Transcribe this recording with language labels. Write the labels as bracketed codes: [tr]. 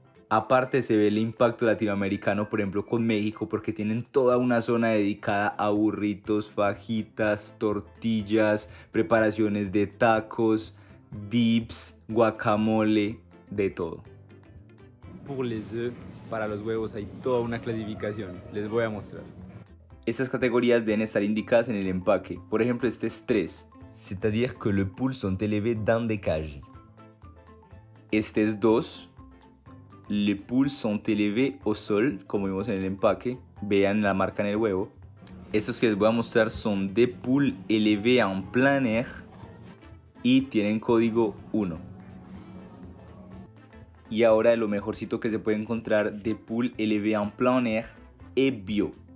[es] Aparte se ve el impacto latinoamericano, por ejemplo, con México, porque tienen toda una zona dedicada a burritos, fajitas, tortillas, preparaciones de tacos, dips, guacamole, de todo. [fr] Pour les œufs, [es] para los huevos hay toda una clasificación, les voy a mostrar. Estas categorías deben estar indicadas en el empaque, por ejemplo, este es 3. [fr] C'est-à-dire que le poules sont élevés dans des cages. [es] Este es 2. [fr] Les poules sont élevées au sol, [es] como vimos en el empaque. Vean la marca en el huevo. Estos que les voy a mostrar son [fr] des poules élevées en plein air [es] y tienen código 1. Y ahora lo mejorcito que se puede encontrar, [fr] des poules élevées en plein air et bio.